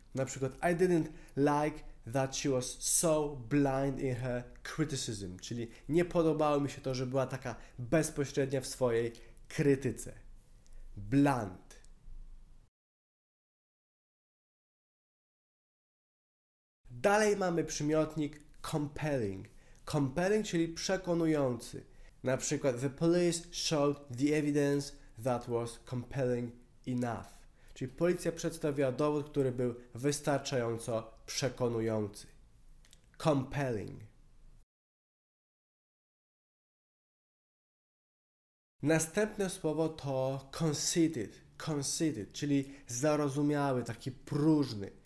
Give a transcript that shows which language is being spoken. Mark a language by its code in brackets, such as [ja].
[pl] Na przykład [en] I didn't like that she was so blind in her criticism. [pl] Czyli nie podobało mi się to, że była taka bezpośrednia w swojej krytyce. Bland. Dalej mamy przymiotnik compelling. Compelling, czyli przekonujący. Na przykład, [en] the police showed the evidence that was compelling enough. [pl] Czyli policja przedstawiła dowód, który był wystarczająco przekonujący. Compelling. Następne słowo to conceited. Conceited, czyli zarozumiały, taki próżny.